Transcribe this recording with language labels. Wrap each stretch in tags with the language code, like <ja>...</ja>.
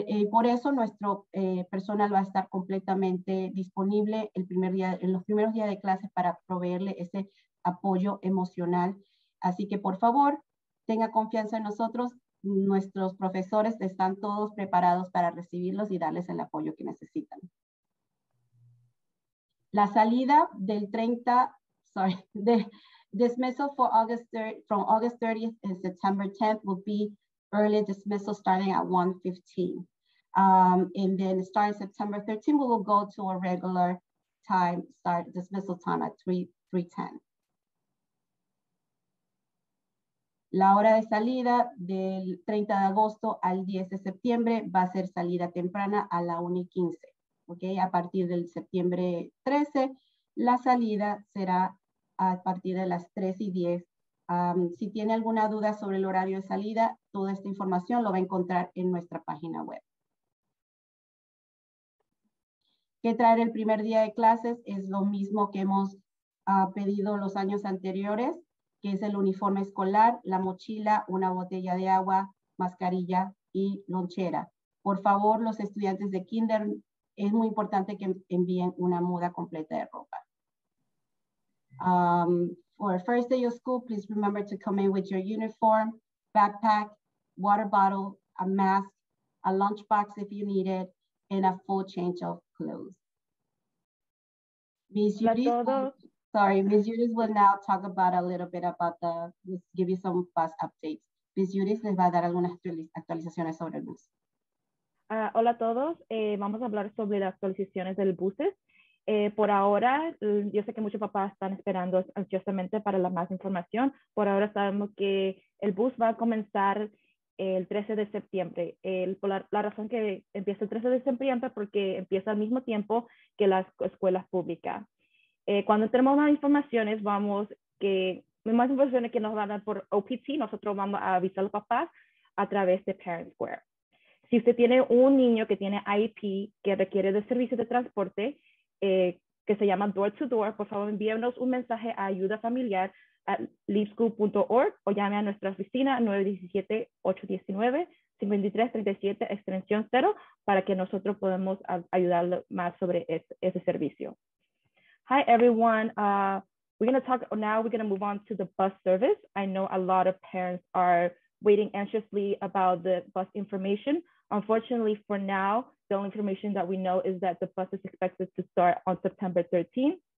<es>Por eso nuestro personal va a estar completamente disponible el primer día, en los primeros días de clases para proveerle ese apoyo emocional. Así que por favor, tenga confianza en nosotros. Nuestros profesores están todos preparados para recibirlos y darles el apoyo que necesitan. La salida del 30,</es> <en>sorry, the dismissal for August 30, from August 30th and September 10th will be early dismissal starting at 1:15. And then starting September 13th, we will go to a regular time, start dismissal time at 3:10.</en> <es>La hora de salida del 30 de agosto al 10 de septiembre va a ser salida temprana a la 1:15. Okay? A partir del septiembre 13, la salida será a partir de las 3:10. Si tiene alguna duda sobre el horario de salida, toda esta información lo va a encontrar en nuestra página web. ¿Qué traer el primer día de clases? Es lo mismo que hemos pedido los años anteriores, que es el uniforme escolar, la mochila, una botella de agua, mascarilla y lonchera. Por favor, los estudiantes de kinder, es muy importante que envíen una muda completa de ropa.</es> <en>For first day of school, please remember to come in with your uniform, backpack, water bottle, a mask, a lunchbox if you need it, and a full change of clothes. Miss Yuris, sorry, Ms. Yuris will now talk about a little bit about the, let's give you some bus updates. Ms.</en> <es>Yuris les va a dar algunas actualizaciones sobre el bus. Hola a todos, vamos a hablar sobre las actualizaciones del buses. Por ahora, yo sé que muchos papás están esperando ansiosamente para la más información. Por ahora sabemos que el bus va a comenzar el 13 de septiembre. La razón que empieza el 13 de septiembre porque empieza al mismo tiempo que las escuelas públicas. Cuando tenemos más informaciones, más informaciones que nos van a dar por OPT, nosotros vamos a avisar a los papás a través de Parent Square. Si usted tiene un niño que tiene IEP que requiere de servicio de transporte, que se llama Door to Door, por favor envíenos un mensaje a ayuda familiar a leaveschool.org o llame a nuestra oficina 917-819-5337 extensión 0 para que nosotros podamos ayudarle más sobre ese servicio.</es> <en>Hi everyone, we're gonna move on to the bus service. I know a lot of parents are waiting anxiously about the bus information. Unfortunately for now, the only information that we know is that the bus is expected to start on September 13th.</en>